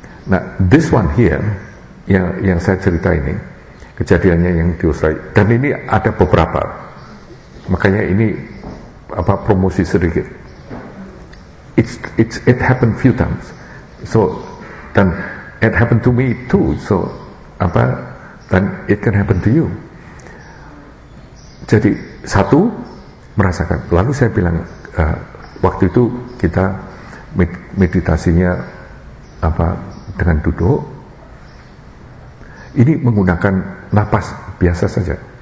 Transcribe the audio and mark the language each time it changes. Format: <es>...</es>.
<id>Nah,</id> <en>this one here</en> <id>yang saya cerita ini, kejadiannya yang di Australia, dan ini ada beberapa, makanya ini apa, promosi sedikit.</id> <en>It happened few times, so,</en> <id>dan</id> <en>it happened to me too, so</en> <id>apa, dan</id> <en>it can happen to you.</en> <id>Jadi satu, merasakan. Lalu saya bilang waktu itu kita meditasinya apa, dengan duduk. Ini menggunakan napas biasa saja.</id>